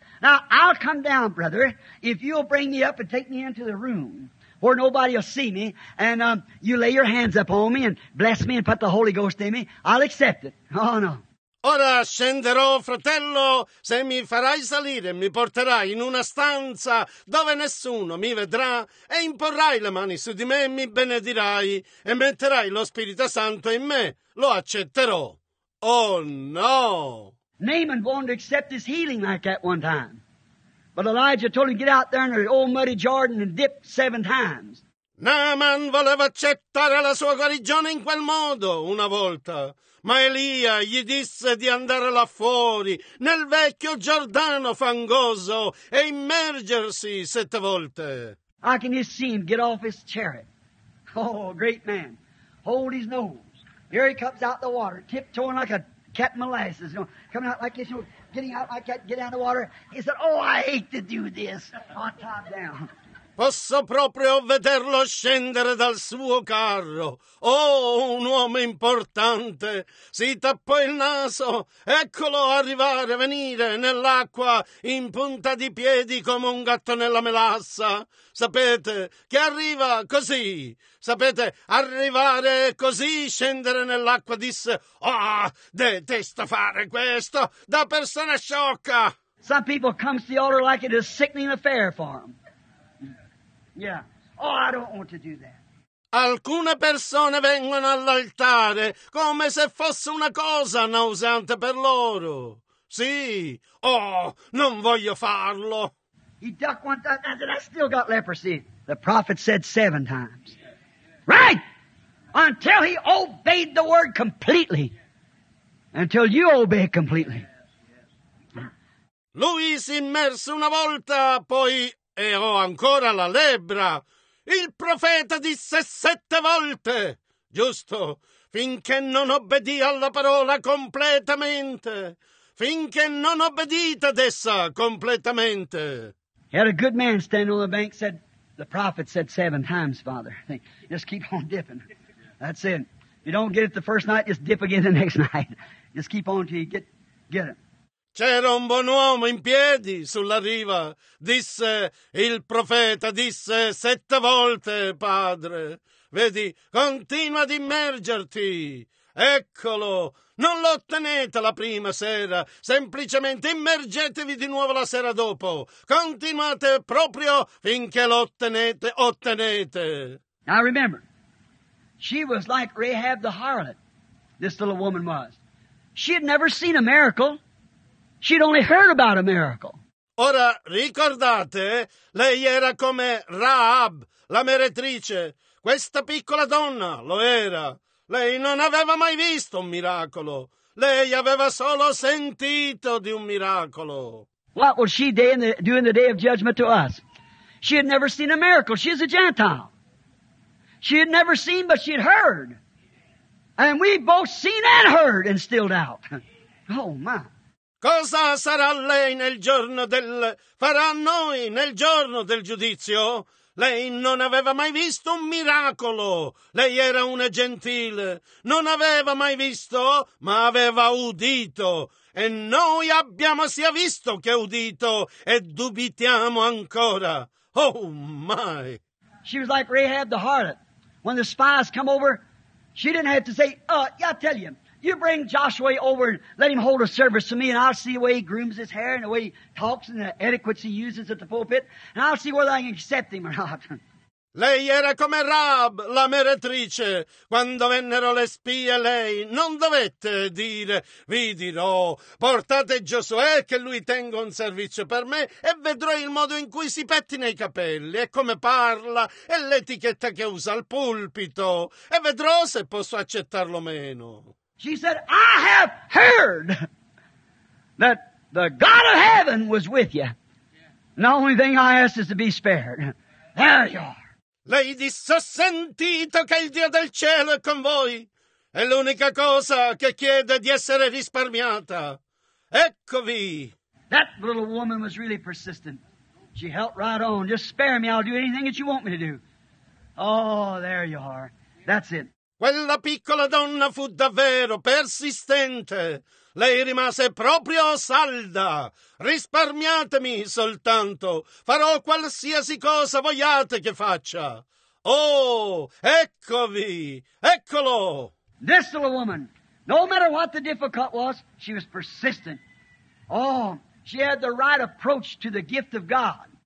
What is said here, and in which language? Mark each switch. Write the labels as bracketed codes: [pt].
[en] Now, I'll come down, brother, if you'll bring me up and take me into the room. where nobody will see me, and you lay your hands upon me and bless me and put the Holy Ghost in me, I'll accept it. Oh, no. [it] Ora scenderò, fratello, se mi farai salire, mi porterai in una stanza dove nessuno mi vedrà e imporrai le mani su di me e mi benedirai e metterai lo Spirito Santo in me. Lo accetterò. Oh, no! [en] Naaman wanted to accept his healing like that one time. But Elijah told him, get out there in the old muddy Jordan and dip 7 times. [it] Naaman voleva accettare la sua guarigione in quel modo una volta, ma Elia gli disse di andare là fuori, nel vecchio Giordano fangoso, e immergersi 7 volte. [en] I can just see him get off his chariot. Oh, great man. Hold his nose. Here he comes out the water, tiptoeing like a cat molasses, you know, coming out like this, you know, getting out like that, get out of the water. He said, oh, I hate to do this. On top down. [it] Posso proprio vederlo scendere dal suo carro. Oh, un uomo importante. Si tappò il naso. Eccolo arrivare, venire nell'acqua in punta di piedi come un gatto nella melassa. Sapete che arriva così. Sapete, arrivare così, scendere nell'acqua, disse. Ah, oh, detesto fare questo da persona sciocca. [en] Some people come to the altar like it is a sickening affair for them. Yeah. Oh, I don't want to do that. [it] Alcune persone vengono all'altare come se fosse una cosa nauseante per loro. Sì. Oh, non voglio farlo. [en] He ducked one time and said, I still got leprosy. The prophet said 7 times. Right! Until he obeyed the word completely. Until you obey completely. [it] Lui si immerse una volta, poi... E ho ancora la lebbra. Il profeta disse 7 volte. Giusto. Finché non obbedì alla parola completamente. Finché non obbedite ad essa completamente. [en] He had a good man standing on the bank said, the prophet said 7 times, Father. Think, just keep on dipping. That's it. If you don't get it the first night, just dip again the next night. Just keep on till you get it. [it] C'era un buon uomo in piedi sulla riva. Disse, il profeta disse 7 volte, padre. Vedi, continua ad immergerti. Eccolo, non lo ottenete la prima sera. Semplicemente immergetevi di nuovo la sera dopo. Continuate proprio finché lo ottenete, ottenete. [en] Now remember, she was like Rahab the harlot, this little woman was. She had never seen a miracle. She'd only heard about a miracle. [it] Ora, ricordate, lei era come Rahab, la meretrice. Questa piccola donna lo era. Lei non aveva mai visto un miracolo. Lei aveva solo sentito di un miracolo. [en] What would she do in the day of judgment to us? She had never seen a miracle. She is a Gentile. She had never seen, but she had heard. And we both seen and heard and still doubt. Oh, my. [it] Cosa sarà lei nel giorno del... farà noi nel giorno del giudizio? Lei non aveva mai visto un miracolo. Lei era una gentile. Non aveva mai visto, ma aveva udito. E noi abbiamo sia visto che udito e dubitiamo ancora. [en] Oh, my! She was like Rahab the harlot. When the spies come over, she didn't have to say, yeah, I tell you. You bring Joshua over and let him hold a service to me, and I'll see the way he grooms his hair and the way he talks and the etiquettes he uses at the pulpit, and I'll see whether I can accept him or not. [it] Lei era come Rab, la meretrice. Quando vennero le spie, lei non dovette dire, vi dirò, portate Giosuè che lui tenga un servizio per me e vedrò il modo in cui si pettina i capelli e come parla e l'etichetta che usa al pulpito e vedrò se posso accettarlo meno. [en] She said, I have heard that the God of heaven was with you. And the only thing I ask is to be spared. There you are. [it] Lei disse, ho sentito che il Dio del cielo è con voi. È l'unica cosa che chiede di essere risparmiata. Eccovi. [en] That little woman was really persistent. She held right on. Just spare me, I'll do anything that you want me to do. Oh, there you are. That's it. [it] Quella piccola donna fu davvero persistente. Lei rimase proprio salda. Risparmiatemi soltanto. Farò qualsiasi cosa vogliate che faccia. Oh, eccovi, eccolo. [en] This little woman, no matter what the difficult was, she was persistent. Oh, she had the right approach to the gift of God.